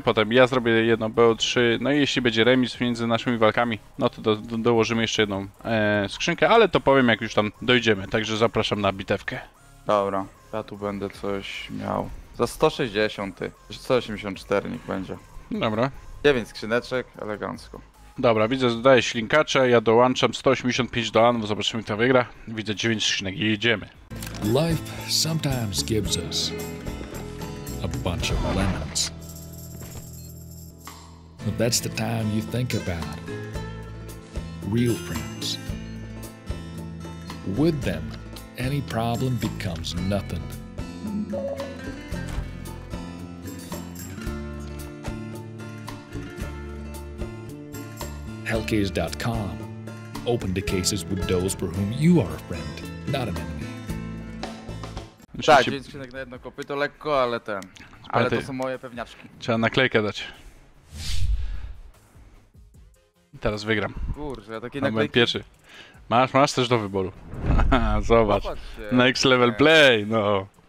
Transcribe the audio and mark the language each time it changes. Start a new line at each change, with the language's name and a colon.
Polish: Potem ja zrobię jedno BO3, no i jeśli będzie remis między naszymi walkami, no to dołożymy jeszcze jedną skrzynkę, ale to powiem, jak już tam dojdziemy, także zapraszam na bitewkę. Dobra, ja tu będę coś miał. Za 160, 184 niech będzie. Dobra. 9 skrzyneczek, elegancko. Dobra, widzę, zdaje ślinkacze, ja dołączam 185 do Anu, zobaczymy, kto wygra. Widzę 9 skrzynek i jedziemy.
English: Life sometimes gives us a bunch of lemons. But that's the time you think about real friends. With them, any problem becomes nothing. Hellcase.com. Open the cases with those for whom you are a friend, not an enemy.
Polish: Tak, 9 skrzynek na jedno kopyto, lekko, ale ten. Ale to są moje pewniaczki. Trzeba naklejkę dać. Teraz wygram. Kurczę, ja taki naklejki... Byłem pierwszy. Masz też do wyboru. Zobacz.
English: Next level play, no.